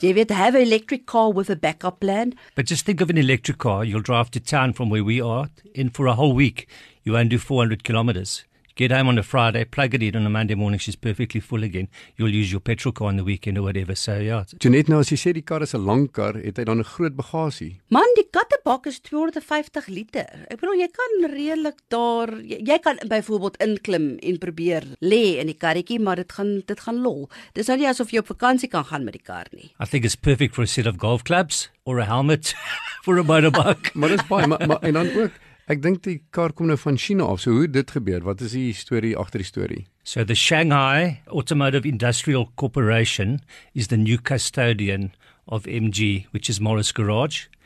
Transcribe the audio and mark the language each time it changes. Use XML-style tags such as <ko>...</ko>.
<af>Jy weet,</af> <en>have an electric car with a backup plan. But just think of an electric car, you'll drive to town from where we are, in for a whole week, you won't do 400 kilometers. Get home on a Friday, plug it in on a Monday morning, she's perfectly full again. You'll use your petrol car on the weekend or whatever. So yeah.</en> <af>Jeanette, nou as jy sê die kar is 'n lang kar, het hy dan 'n groot bagasie? Man, die kattebak is 250 liter. Ek bedoel, jy kan redelik daar, jy kan byvoorbeeld inklim en probeer lê in die karretjie, maar dit gaan lol. Dis nou nie asof jy op vakansie kan gaan met die kar nie.</af> <en>I think it's perfect for a set of golf clubs or a helmet for a motorbike.</en> <af>Maar dis baie, maar en dan ook, ek dink die kar kom nou van China af. So hoe dit gebeur? Wat is die storie agter die storie?</af> <en>So the Shanghai Automotive Industrial Corporation is the new custodian of MG, which is Morris Garage.</en>